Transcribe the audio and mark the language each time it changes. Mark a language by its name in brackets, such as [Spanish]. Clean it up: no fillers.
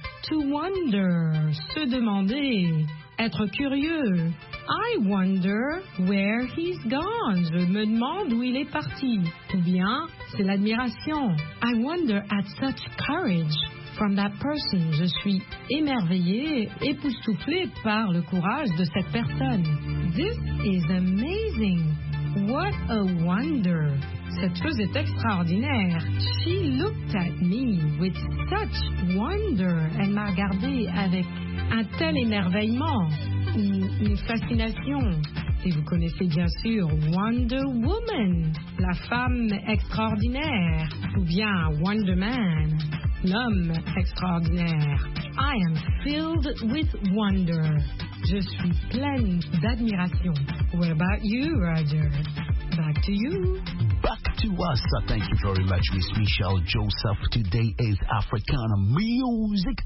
[English] To wonder, [French] se demander, être curieux. [English] I wonder where he's gone. [French] Je me demande où il est parti. Ou bien, c'est l'admiration. [English] I wonder at such courage from that person. [French] Je suis émerveillé, époustouflé par le courage de cette personne. [English] This is amazing. What a wonder. [French] Cette chose est extraordinaire. [English] She looked at me with such wonder. [French] Elle m'a regardé avec un tel émerveillement, une fascination. Et vous connaissez bien sûr Wonder Woman, la femme extraordinaire. Ou bien Wonder Man, l'homme extraordinaire. [English] I am filled with wonder. [French] Je suis pleine d'admiration. [English] What about you, Roger? Back to you. Back to us. Thank you very much, Miss Michelle Joseph. Today is Africana Music.